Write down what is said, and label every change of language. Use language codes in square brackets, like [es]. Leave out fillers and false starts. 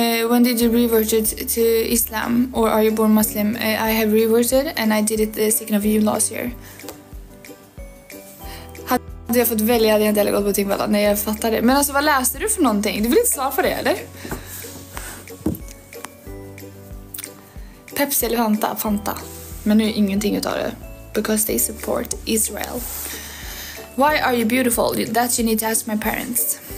[en] When did you revert to Islam or are you born Muslim? I have reverted and I did it the second of you last year. [sv] Hade jag fått välja hade jag inte gått på Tingvalla. Nej, jag fattar det. Men alltså, vad läser du för någonting? Du vill inte svara på det, eller? Pepsi eller Fanta? Fanta. Men nu är ingenting utav det. [en] Because they support Israel. Why are you beautiful? That you need to ask my parents.